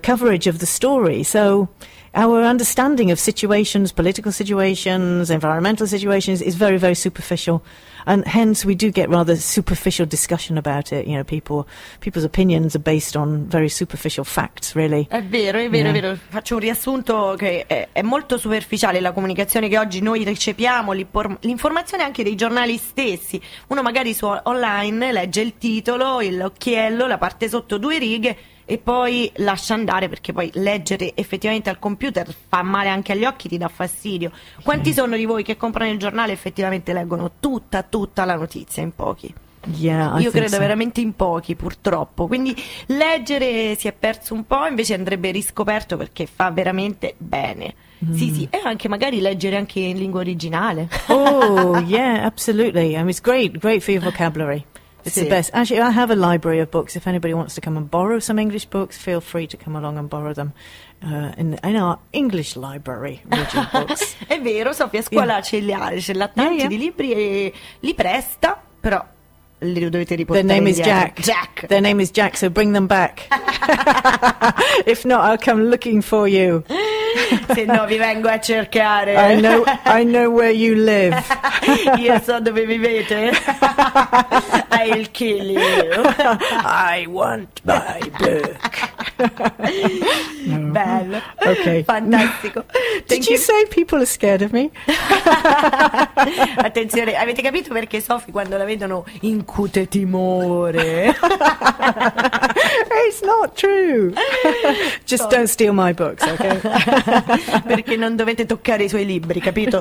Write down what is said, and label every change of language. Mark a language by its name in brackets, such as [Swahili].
[English] Coverage of the story? So our understanding of situations, political situations, environmental situations, is very, very superficial. And hence, we do get rather superficial discussion about it. You know, people's opinions are based on very superficial facts, really. [Italian] È vero. Faccio un riassunto che è molto superficiale la comunicazione che oggi noi recepiamo, l'informazione anche dei giornali stessi. Uno magari su online legge il titolo, l'occhiello, la parte sotto due righe, e poi lascia andare, perché poi leggere effettivamente al computer fa male anche agli occhi, ti dà fastidio. Quanti sono di voi che comprano il giornale e effettivamente leggono tutta la notizia? In pochi. Io credo veramente in pochi, purtroppo. Quindi leggere si è perso un po', invece andrebbe riscoperto, perché fa veramente bene. Sì, e anche magari leggere anche in lingua originale. [English] Absolutely. I mean, it's great for your vocabulary. It's the best. Actually, I have a library of books. If anybody wants to come and borrow some English books, feel free to come along and borrow them in our English library. Books. [Italian] È vero, Sofia, a scuola ce l'ha tanti di libri e li presta, però li dovete riportare. [English] Their name is Jack. Jack. Their name is Jack, so bring them back. If not, I'll come looking for you. [Italian] Se no, vi vengo a cercare. [English] I know where you live. [Italian] Io so dove vivete. [English] I'll kill you. I want my book. [Italian] Bello. [English] Okay. [Italian] Fantastico. [English] Did you say people are scared of me? [Italian] Attenzione, avete capito perché Sofì quando la vedono incute timore? [English] It's not true. Just don't steal my books, okay? [Italian] Perché non dovete toccare i suoi libri, capito?